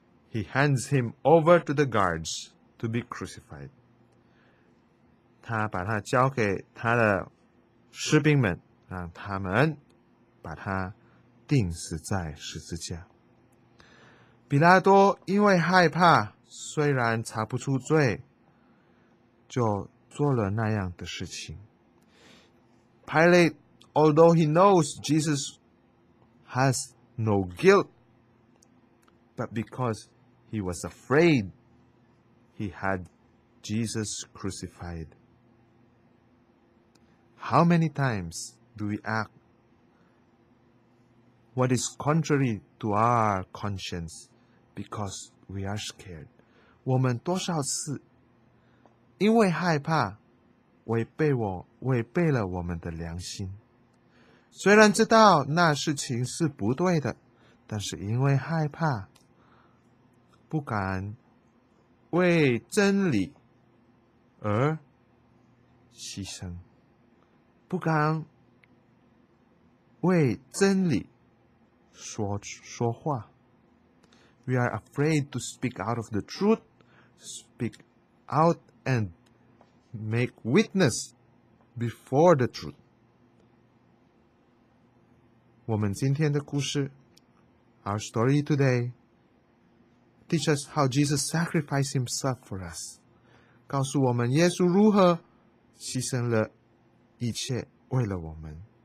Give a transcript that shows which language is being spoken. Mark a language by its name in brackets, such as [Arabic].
[English] He hands him over to the guards to be crucified. [Chinese] 他把他交给他的士兵们，让他们把他钉死在十字架。比拉多因为害怕，虽然查不出罪，就做了那样的事情。 [English] Pilate, although he knows Jesus has no guilt, but because he was afraid, he had Jesus crucified. How many times do we act what is contrary to our conscience because we are scared? [Chinese] 我们多少次因为害怕违背了我们的良心。虽然知道那事情是不对的，但是因为害怕，不敢为真理而牺牲，不敢为真理说话。 [English] We are afraid to speak out of the truth, speak out and make witness before the truth. [Chinese] 我们今天的故事 , [English] our story today, teach us how Jesus sacrificed himself for us, [Chinese] 告诉我们耶稣如何牺牲了一切为了我们。